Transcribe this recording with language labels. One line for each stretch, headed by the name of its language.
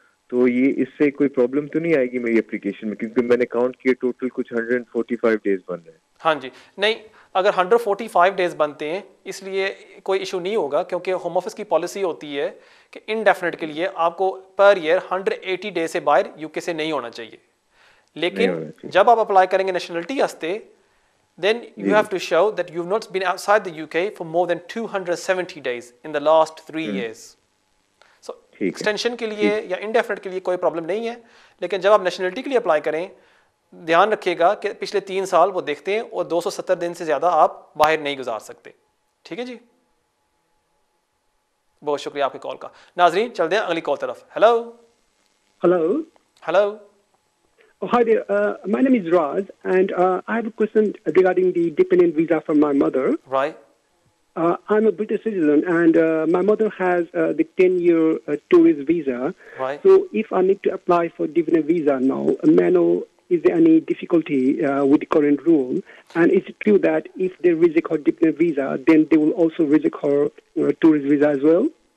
Hindi: तो ये इससे कोई प्रॉब्लम तो नहीं आएगी मेरी एप्लीकेशन में, क्योंकि मैंने काउंट किया टोटल कुछ 145 डेज बन रहे हैं. हाँ जी. नहीं, अगर 145 डेज बनते हैं इसलिए कोई इशू नहीं होगा, क्योंकि होम ऑफिस की पॉलिसी होती है कि इनडेफिनेट के लिए आपको पर ईयर 180 डेज से बाहर यूके से नहीं होना चाहिए. लेकिन होना चाहिए. जब आप अप्लाई करेंगे नेशनलिटी वास्ते,
English: Then you have to show that you have not been outside the UK for more than 270 days in the last 3 years.
Hindi: Extension के लिए या इनडेफिनेट के लिए कोई प्रॉब्लम नहीं है, लेकिन जब आप नेशनलिटी के लिए अप्लाई करें ध्यान रखिएगा कि पिछले 3 साल वो देखते हैं और 270 दिन से ज़्यादा आप बाहर नहीं गुजार सकते। ठीक है जी, बहुत शुक्रिया आपके कॉल का। नाजरीन चलते हैं अगली कॉल तरफ।
English: Hello hello hello hi there, my name is Raj and I have a question regarding the dependent visa for my mother. Right, I'm a British citizen and my mother has the 10-year tourist visa. Right. So if I need to apply for dividend visa now, may I know, is there any difficulty with the current rule? And is it true that if they reject her dividend visa, then they will also reject her tourist visa as well?